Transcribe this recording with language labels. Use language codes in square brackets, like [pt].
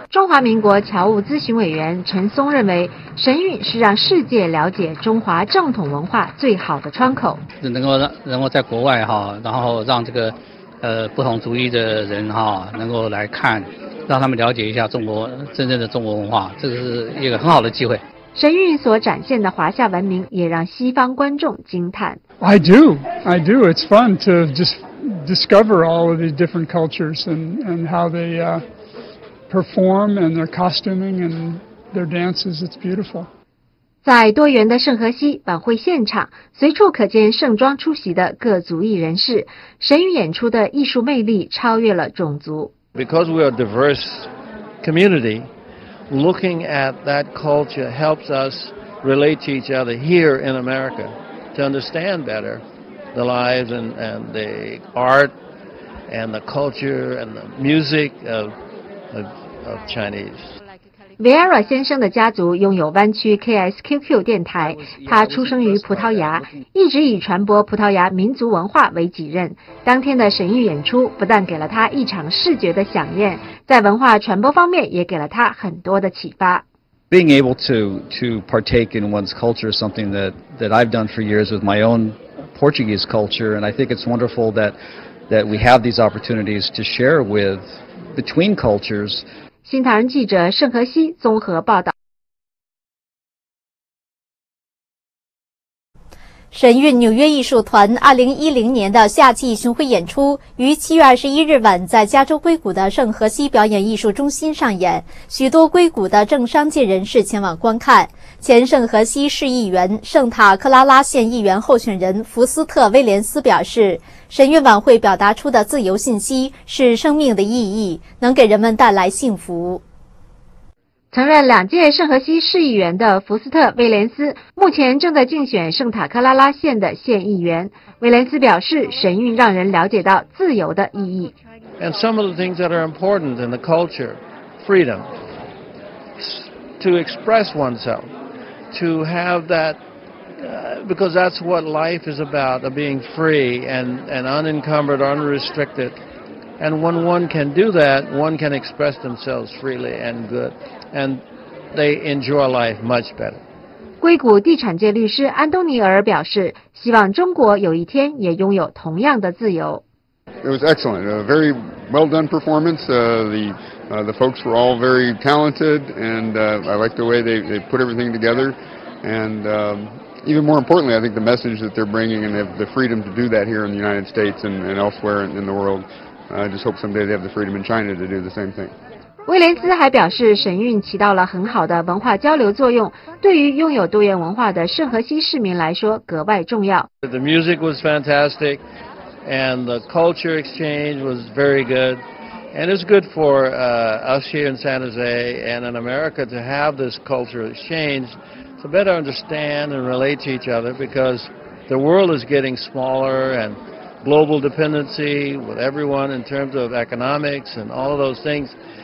[zh] 中华民国侨务咨询委员陈松认为，神韵是让世界了解中华正统文化最好的窗口。能够在国外哈，然后让这个不同族裔的人哈能够来看，让他们了解一下中国真正的中国文化，这个是一个很好的机会。神韵所展现的华夏文明也让西方观众惊叹。 [en] I do. It's fun to just discover all of these different cultures and how they perform and their costuming and their dances. It's beautiful. [zh] 在多元的圣荷西晚会现场，随处可见盛装出席的各族裔人士。神韵演出的艺术魅力超越了种族。 [en] Because we are a diverse community. Looking at that culture helps us relate to each other here in America to understand better the lives and the art and the culture and the music of Chinese. [zh] Vera 先生的家族拥有湾区 KSQQ 电台，他出生于葡萄牙，一直以传播葡萄牙民族文化为己任。当天的神韵演出不但给了他一场视觉的飨宴，在文化传播方面也给了他很多的启发。 Being able to partake in one's culture is something that I've done for years with my own Portuguese culture, and I think it's wonderful that we have these opportunities to share with between cultures. 新唐人记者盛和熙综合报道。神韵纽约艺术团2010年的夏季巡回演出于7月21日晚在加州硅谷的盛和熙表演艺术中心上演，许多硅谷的政商界人士前往观看。前盛和熙市议员、圣塔克拉拉县议员候选人福斯特·威廉斯表示，神韵晚会表达出的自由信息是生命的意义，能给人们带来幸福。曾任两届圣荷西市议员的福斯特·威廉斯目前正在竞选圣塔克拉拉县的县议员。威廉斯表示，神韵让人了解到自由的意义。 [en] And some of the things that are important in the culture, freedom, to express oneself, to have that, because that's what life is about, of being free and unencumbered, unrestricted. And when one can do that, one can express themselves freely and good. And they enjoy life much better. [zh] 硅谷地产界律师安东尼尔表示，希望中国有一天也拥有同样的自由。 [en] It was excellent, a very well done performance. The folks were all very talented, and I like the way they put everything together. And even more importantly, I think the message that they're bringing and have the freedom to do that here in the United States and elsewhere in the world. I just hope someday they have the freedom in China to do the same thing. [zh] 威廉斯还表示，神韵起到了很好的文化交流作用，对于拥有多元文化的圣荷西市民来说格外重要。 [en] The music was fantastic, and the culture exchange was very good, and it's good for us here in San Jose and in America to have this cultural exchange to better understand and relate to each other because the world is getting smaller and global dependency with everyone in terms of economics and all of those things.